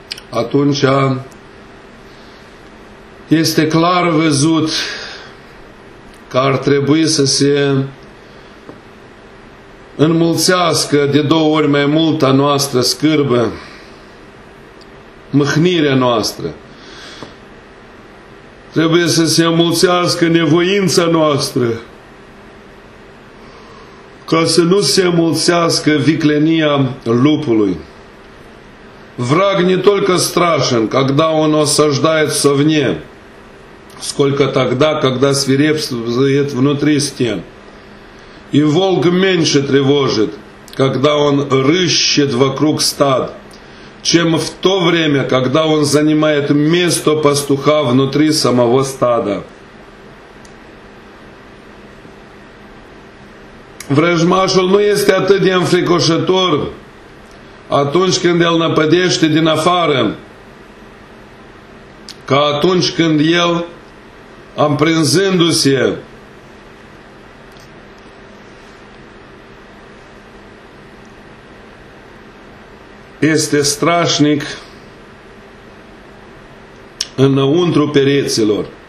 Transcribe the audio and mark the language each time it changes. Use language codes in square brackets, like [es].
[ro] atunci este clar văzut că ar trebui să se înmulțească de două ori mai mult a noastră scârbă mâhnirea noastră. Trebuie să se înmulțească nevoința noastră ca să nu se înmulțească viclenia lupului. [ru] Враг не только страшен, когда он осаждает совне, сколько тогда, когда свирепствует внутри стен. И волк меньше тревожит, когда он рыщет вокруг стад, чем в то время, когда он занимает место пастуха внутри самого стада. [ro] Vrăjmașul nu este atât de înfricoșător atunci când el năpădește din afară, ca atunci când el, împrinzându-se, este strașnic înăuntru pereților.